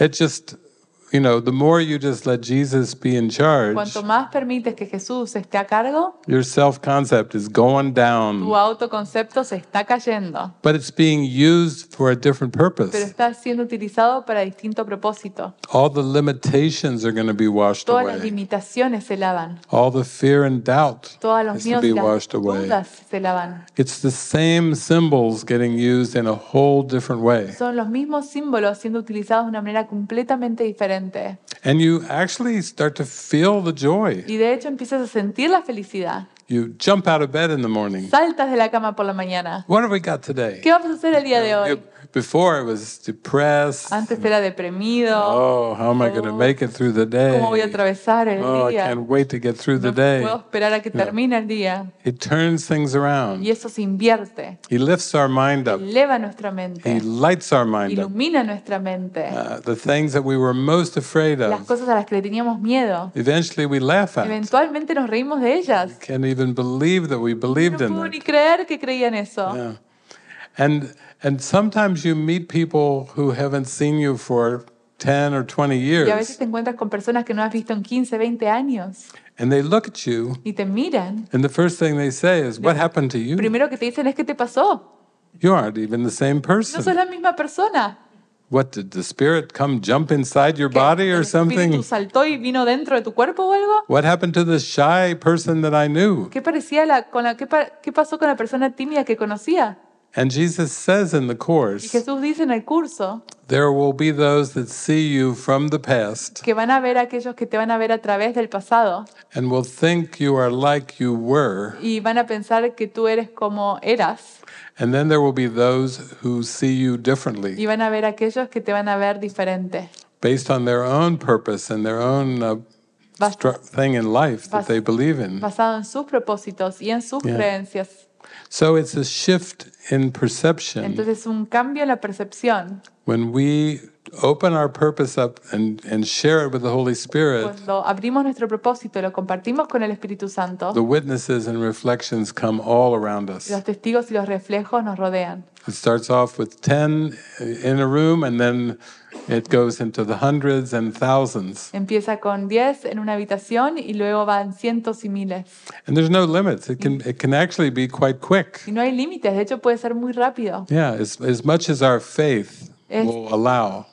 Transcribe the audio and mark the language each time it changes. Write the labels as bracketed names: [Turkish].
[English] It just, you know, the more you just let Jesus be in charge, [Spanish] cuanto más permites que Jesús esté a cargo, [English] your self-concept is going down. [Spanish] Tu autoconcepto se está cayendo. [English] But it's being used for a different purpose. [Spanish] Pero está siendo utilizado para distinto propósito. [English] All the limitations are going to be washed [Spanish] todas [English] away. [Spanish] Todas las limitaciones se lavan. [English] All the fear and doubt [Spanish] todas los miedos [English] is to be washed away. [Spanish] Todas se lavan. [English] It's the same symbols getting used in a whole different way. [Spanish] Son los mismos símbolos siendo utilizados de una manera completamente diferente. [English] And you actually start to feel the joy. [Spanish] Y de hecho empiezas a sentir la felicidad. [English] You jump out of bed in the morning. [Spanish] Saltas de la cama por la mañana. [English] What have we got today? [Spanish] ¿Qué vamos a hacer el día de hoy? [English] Before I was depressed. [Spanish] Antes era deprimido. [English] Oh, how am I going to make it through the day? [Spanish] ¿Cómo voy a atravesar el día? [English] Oh, I can't wait to get through the day. [Spanish] No puedo esperar a que termine el día. [English] It turns things around. [Spanish] Y eso se invierte. [English] He lifts our mind up. [Spanish] Eleva nuestra mente. [English] He lights our mind [Spanish] up. Ilumina nuestra mente. [English] The things that we were most afraid of. [Spanish] Las cosas a las que le teníamos miedo. [English] Eventually we laugh at. [Spanish] Eventualmente nos reímos de ellas. [English] We can't even believe that we believed in [Spanish] No puedo ni creer que creía en eso. [English] And sometimes you meet people who haven't seen you for 10 or 20 years. [Spanish] Y a veces te encuentras con personas que no has visto en 15, 20 años. [English] And they look at you. [Spanish] Y te miran. [English] And the first thing they say is, what happened to you? [Spanish] Primero que te dicen es, ¿qué te pasó? [English] You aren't even the same person. [Spanish] No sos la misma persona. [English] What, did the spirit come jump inside your body or something? [Spanish] ¿El espíritu saltó y vino dentro de tu cuerpo o algo? [English] What happened to the shy person that I knew? [Spanish] ¿Qué pasó con la persona tímida que conocía? [English] And Jesus says in the Course, [Spanish] Jesús dice en el curso, [English] there will be those that see you from the past [Spanish] que van a ver aquellos que te van a ver a través del pasado, [English] and will think you are like you were. [Spanish] Y van a pensar que tú eres como eras. [English] And then there will be those who see you differently. [Spanish] Y van a ver aquellos que te van a ver diferente. [English] Based on their own purpose and their own thing in life that they believe in. [Spanish] Basado en sus propósitos y en sus creencias. [English] So it's a shift in perception. [Spanish] Entonces, un cambio en la percepción. [English] When we open our purpose up and share it with the Holy Spirit, [Spanish] cuando abrimos nuestro propósito y lo compartimos con el Espíritu Santo, [English] the witnesses and reflections come all around us. [Spanish] Los testigos y los reflejos nos rodean. [English] It starts off with 10 in a room and then it goes into the hundreds and thousands. [Spanish] Empieza con 10 en una habitación y luego van cientos y miles. [English] And there's no limits. It can actually be quite quick. [Spanish] Y no hay límites, de hecho puede ser muy rápido. [English] Yeah, as much as our faith will allow.